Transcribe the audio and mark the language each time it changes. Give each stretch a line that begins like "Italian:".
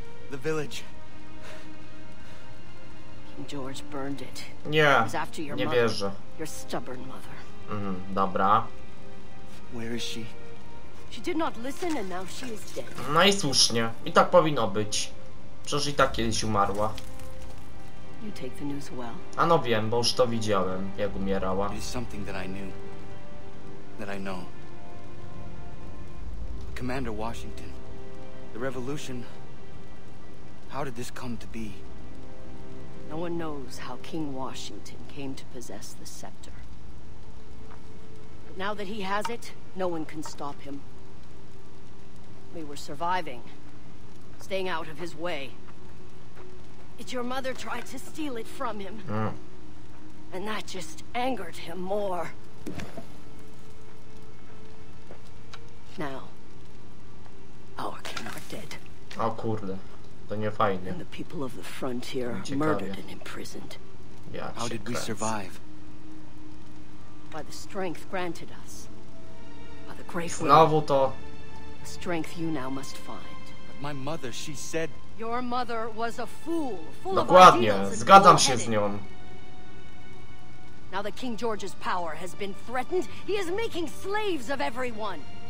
English: The village. George burned it.
Polish: Nie, nie wierzę.
English: Your stubborn mother.
Polish: Dobra.
English: Where is she? She did not listen and now she is dead.
Polish: No i słusznie. I tak powinno być. Przecież i tak kiedyś umarła.
English: You take the news well.
Polish: A no wiem, bo już to widziałem, jak umierała.
English: It is something that I knew. That I know. Commander Washington. The revolution. How did this come to be? No one knows how King Washington came to possess the scepter. But now that he has it, no one can stop him. We were surviving, staying out of his way. It's your mother tried to steal it from him. And that just angered him more. Now, our king are dead.
Polish: O kurde. To nie fajnie.
English: And the people of the frontier murdered and imprisoned. Yeah, how did we survive? By the strength granted us. By the
Polish: Znowu to.
English: The strength you now must find. But my mother, she said. Your mother was a fool, full of
Polish: Dokładnie, zgadzam się z nią.
English: Now that King George's power has been threatened, he is making slaves of everyone.